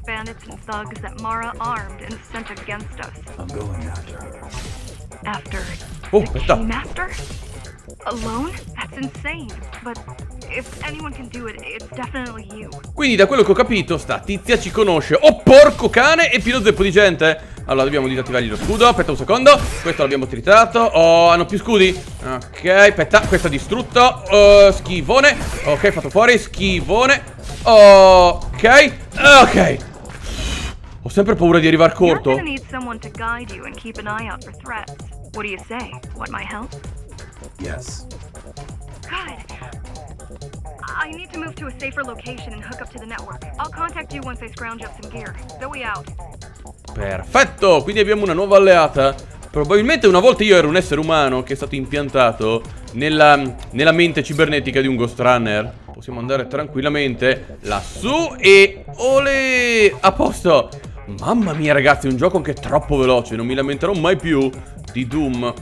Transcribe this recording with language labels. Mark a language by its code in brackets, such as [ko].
[en] Bandits and thugs that Mara armed and sent against us. I'm going after her. After? Oh, the Keymaster? Alone? That's insane. But if anyone can do it, it's definitely you. [it] Quindi da quello che ho capito, sta tizia ci conosce. Oh, porco cane, è pieno zeppo di gente. Allora, dobbiamo disattivargli lo scudo. Aspetta un secondo. Questo l'abbiamo tritato. Oh, hanno più scudi. Ok, aspetta. Questo è distrutto. Schivone. Ok, fatto fuori. Schivone. Ok. Ok. Ho sempre paura di arrivare corto. [en] You're gonna need someone to guide you and keep an eye out for threats. What do you say? Want my help? Yes. Good. I need to move to a safer location and hook up to the network. I'll contact you once I scrounge up some gear. Zoe out. [it] Perfetto, quindi abbiamo una nuova alleata. Probabilmente una volta io ero un essere umano che è stato impiantato nella mente cibernetica di un Ghost Runner. Possiamo andare tranquillamente lassù e olè, a posto. Mamma mia ragazzi, un gioco anche troppo veloce. Non mi lamenterò mai più di Doom.